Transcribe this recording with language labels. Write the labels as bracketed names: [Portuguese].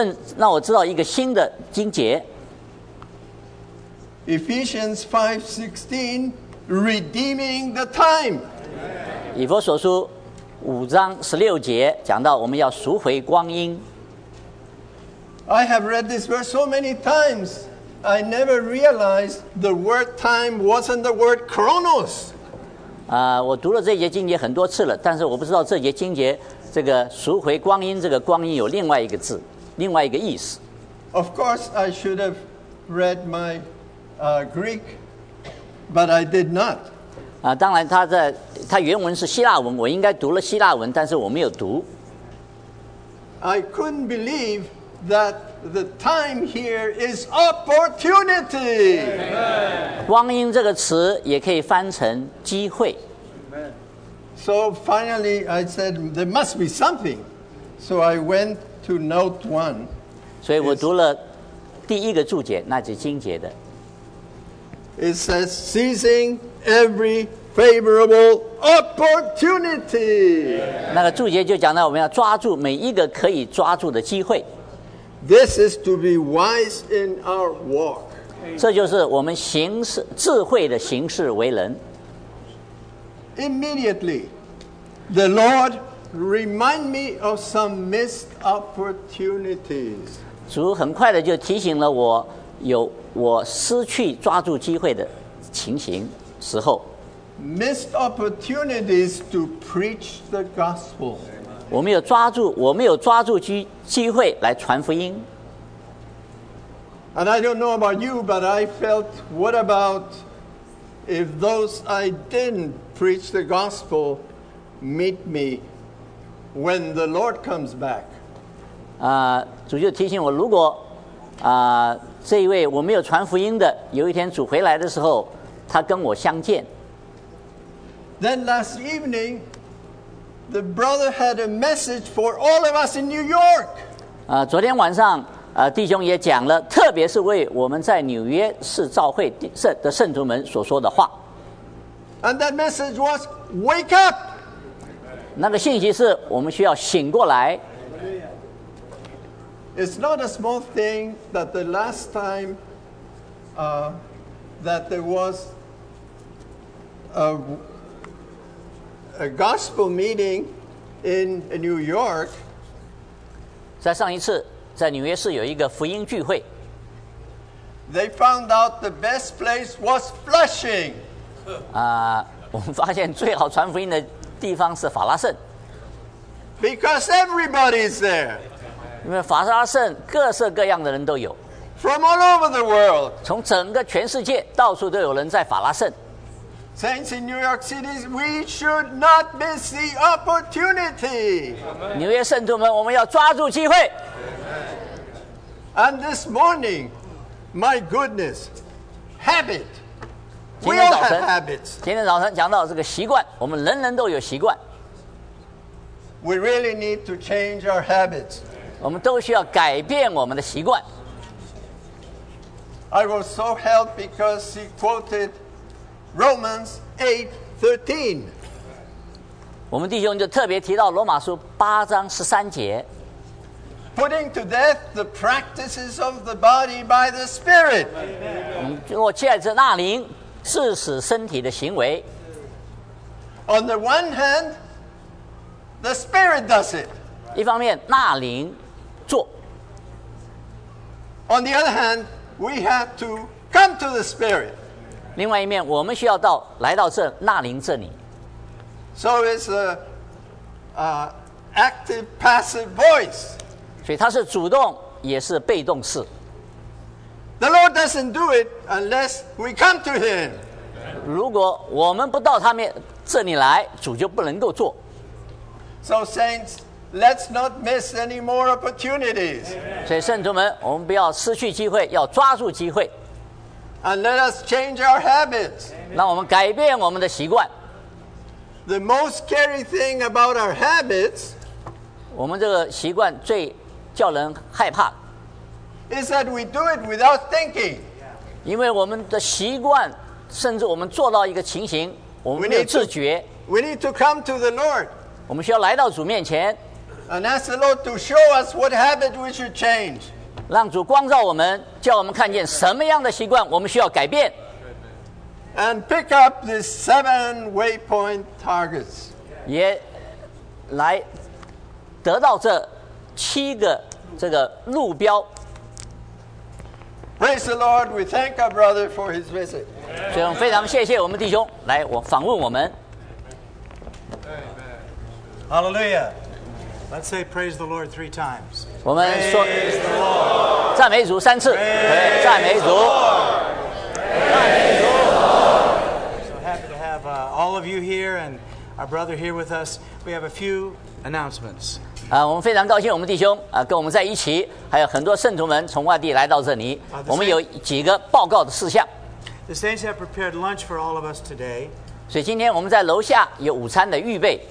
[Chinese] 昨天弟兄让我知道一个新的经节。 [English] Ephesians 5:16, redeeming the time. [Chinese] 以弗所书5:16讲到我们要赎回光阴。 [English] I have read this verse so many times, I never realized the word time wasn't the word chronos. [Chinese] 我读了这节经节很多次了，但是我不知道这节经节这个赎回光阴这个光阴有另外一个字，另外一个意思。 [English] Of course, I should have read my Greek, but I did not. [Chinese] 当然他原文是希腊文，我应该读了希腊文，但是我没有读。 [English] I couldn't believe that the time here is opportunity. [Chinese] 光阴这个词也可以翻成机会。 [English] So finally, I said there must be something. So I went to note one. [Chinese] 所以我读了第一个注解，那是经节的。 [English] It says seizing every favorable opportunity. [Chinese] 那个注解就讲到我们要抓住每一个可以抓住的机会。 [English] This is to be wise in our walk. [Chinese] 这就是我们行事智慧的行事为人。 [English] Immediately, the Lord remind me of some missed opportunities. [Chinese] 主很快的就提醒了我，有我失去抓住机会的情形时候。 [English] Missed opportunities to preach the gospel. [Chinese] 我没有抓住机会来传福音。 [English] And I don't know about you, but I felt, what about if those I didn't preach the gospel meet me when the Lord comes back? [Chinese] 主就提醒我，如果这一位我没有传福音的，有一天主回来的时候，他跟我相见。 [English] Then last evening, the brother had a message for all of us in New York. [Chinese] 昨天晚上，弟兄也讲了，特别是为我们在纽约市召会的圣徒们所说的话。 [English] And that message was, wake up! [Chinese] 那个信息是我们需要醒过来。 [English] It's not a small thing that the last time that there was a gospel meeting in New York. [Chinese] 在上一次在纽约市有一个福音聚会。 [English] They found out the best place was Flushing. [Chinese] 我们发现最好传福音的地方是法拉盛。 [English] Because everybody is there. [Chinese] 因为法拉盛各色各样的人都有。 [English] From all over the world. [Chinese] 从整个全世界到处都有人在法拉盛。 [English] Saints in New York City, we should not miss the opportunity. [Chinese] 纽约圣徒们，我们要抓住机会。 [English] And this morning, my goodness, habit. We all have habits. [Chinese] 今天早晨讲到这个习惯，我们人人都有习惯。 [English] We really need to change our habits. [Chinese] 我们都需要改变我们的习惯。 [English] I was so helped because he quoted Romans 8:13. [Chinese] 我们弟兄就特别提到罗马书八章十三节。 [English] Putting to death the practices of the body by the Spirit. [Chinese] 我借着那灵致死身体的行为。 [English] On the one hand, the Spirit does it. [Chinese] 一方面，那灵做。 [English] On the other hand, we have to come to the Spirit. [Chinese] 另外一面，我们需要到来到这那灵这里。 [English] So it's a active passive voice. [Chinese] 所以它是主动，也是被动式。 [English] The Lord doesn't do it unless we come to Him. [Chinese] 如果我们不到他面这里来，主就不能够做。 [English] So saints, let's not miss any more opportunities. [Chinese] 所以圣徒们，我们不要失去机会，要抓住机会。 [English] And let us change our habits. [Chinese] 让我们改变我们的习惯。 [English] The most scary thing about our habits. [Chinese] 我们这个习惯最叫人害怕。 [English] Is that we do it without thinking? [Chinese] 因为我们的习惯，甚至我们做到一个情形，我们没有自觉。 [English] We need to come to the Lord. [Chinese] 我们需要来到主面前。 [English] And ask the Lord to show us what habit we should change. [Chinese] 让主光照我们，叫我们看见什么样的习惯我们需要改变。 [English] And pick up the seven waypoint targets. [Chinese] 也来得到这七个这个路标。 [English] Praise the Lord, we thank our brother for his visit. [Chinese] 所以我们非常谢谢我们弟兄来访问我们。 [English] Hallelujah. Let's say praise the Lord three times. [Chinese] 我们说, [English] praise the Lord. [Chinese] 赞美主三次, [English] praise, [Chinese] 赞美主, [English] the Lord. Praise the Lord. So happy to have all of you here and our brother here with us. We have a few announcements. [Chinese] 我们非常高兴我们弟兄跟我们在一起, 还有很多圣徒们从外地来到这里, 我们有几个报告的事项。 [English] The saints have prepared lunch for all of us today. [Chinese] 所以今天我们在楼下有午餐的预备。